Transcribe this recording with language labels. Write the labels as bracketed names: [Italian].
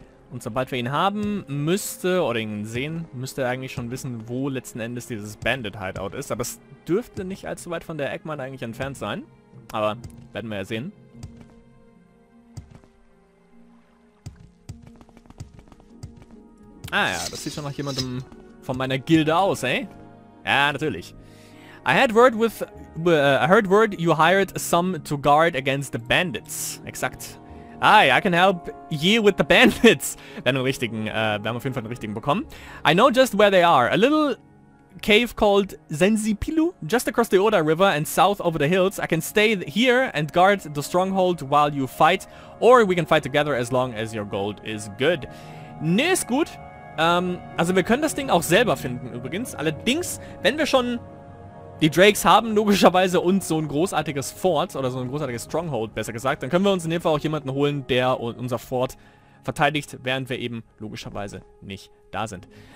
[German] Und sobald wir ihn haben, müsste er eigentlich schon wissen, wo letzten Endes dieses Bandit-Hideout ist. Aber es dürfte nicht allzu weit von der Eggman eigentlich entfernt sein. Aber werden wir ja sehen. Ah ja, das sieht schon nach jemandem von meiner Gilde aus, ey. Ja, natürlich. [English] I heard word you hired some to guard against the bandits. Exakt. Aye, I can help ye with the bandits. [German] Wir haben auf jeden Fall den richtigen bekommen. [English] I know just where they are. A little cave called Zenzipilu, just across the Oda River and south over the hills. I can stay here and guard the stronghold while you fight. Or we can fight together as long as your gold is good. [German] Ne, ist gut. Also wir können das Ding auch selber finden übrigens. Allerdings, wenn wir schon die Drakes haben logischerweise uns so ein großartiges Fort oder so ein großartiges Stronghold, besser gesagt. Dann können wir uns in dem Fall auch jemanden holen, der unser Fort verteidigt, während wir eben logischerweise nicht da sind.